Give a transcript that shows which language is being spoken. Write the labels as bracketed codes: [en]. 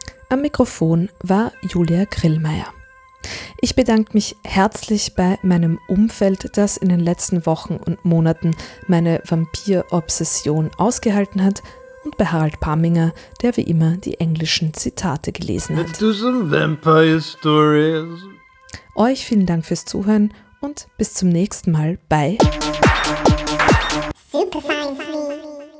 [de] Am Mikrofon war Julia Grillmeier. Ich bedanke mich herzlich bei meinem Umfeld, das in den letzten Wochen und Monaten meine Vampir-Obsession ausgehalten hat, und bei Harald Paminger, der wie immer die englischen Zitate gelesen hat. [en] Do some vampire stories. [de] Euch vielen Dank fürs Zuhören und bis zum nächsten Mal bei Super Science Me.